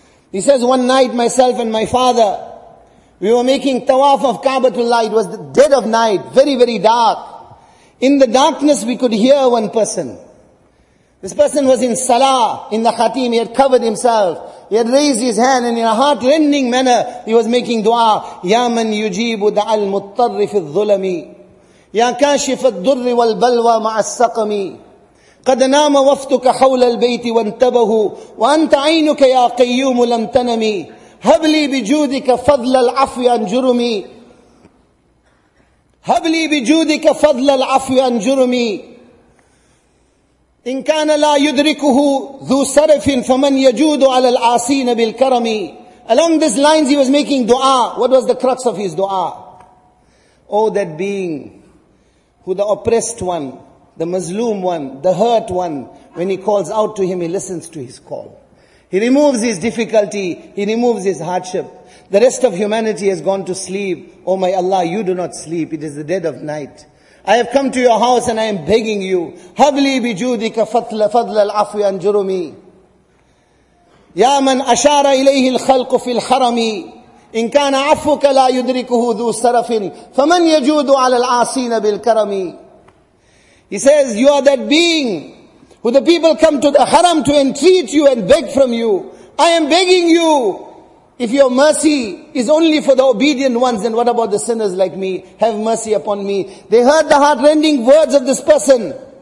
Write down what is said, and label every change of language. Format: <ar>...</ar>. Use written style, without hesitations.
<en>He says, one night myself and my father, we were making tawaf of Kaabatullah. It was the dead of night, very, very dark. In the darkness we could hear one person. This person was in salah, in the khatim, he had covered himself. He had raised his hand and in a heart-rending manner, he was making dua.</en> <ar>Ya man yujibu da'al muttarri fi dhulami. يا كاشف الضر والبلوى مع السقم قد نام وفدك حول البيت وانتبه وأنت عينك يا قيوم لم تنمي هب لي بجودك فضل العفو عن جرمي هب لي بجودك فضل العفو عن جرمي إن كان لا يدركه ذو سرف فمن يجود على العاصين بالكرم.</ar> <en>Along these lines he was making dua. What was the crux of his dua? Oh, that being who the oppressed one, the mazloom one, the hurt one, when he calls out to him, he listens to his call. He removes his difficulty, he removes his hardship. The rest of humanity has gone to sleep. Oh my Allah, you do not sleep. It is the dead of night. I have come to your house and I am begging you.</en> <ar>Habli bi judika fadla al-afwi anjurumi. Ya man ashara ilayhi al-khalqu fil harami. إن كان عفوك لا يدركه ذو سرف فمن يجود على العاصين بالكرم.</ar> <en>He says, you are that being who the people come to the haram to entreat you and beg from you. I am begging you, if your mercy is only for the obedient ones, then what about the sinners like me? Have mercy upon me. They heard the heart-rending words of this person.</en>